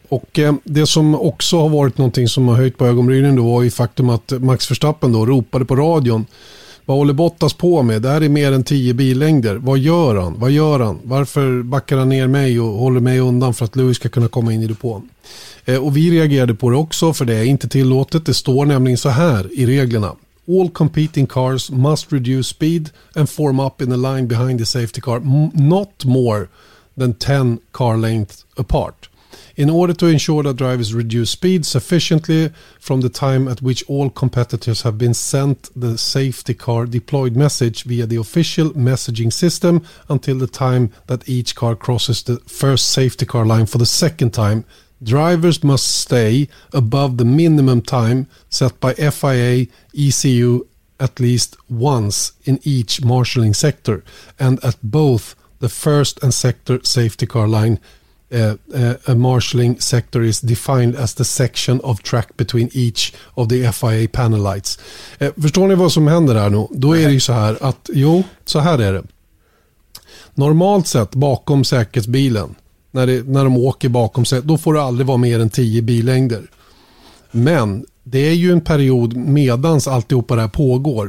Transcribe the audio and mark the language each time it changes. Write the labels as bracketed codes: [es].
[sv] Och det som också har varit någonting som har höjt på ögonbrynen då var ju faktum att Max Verstappen då ropade på radion. Vad håller Bottas på med? Det här är mer än 10 billängder. Vad gör han? Varför backar han ner mig och håller mig undan för att Lewis ska kunna komma in i depån? Och vi reagerade på det också för det är inte tillåtet. Det står nämligen så här i reglerna. [en] All competing cars must reduce speed and form up in a line behind the safety car. Not more than 10 car lengths apart. In order to ensure that drivers reduce speed sufficiently from the time at which all competitors have been sent the safety car deployed message via the official messaging system until the time that each car crosses the first safety car line for the second time, drivers must stay above the minimum time set by FIA, ECU at least once in each marshalling sector and at both the first and sector safety car line. A marshalling sector is defined as the section of track between each of the FIA panel lights. [sv] Förstår ni vad som händer här nu? Då är det ju så här att, jo, så här är det. Normalt sett bakom säkerhetsbilen, när de åker bakom sig, då får det aldrig vara mer än 10 billängder. Men det är ju en period medans alltihopa det här pågår.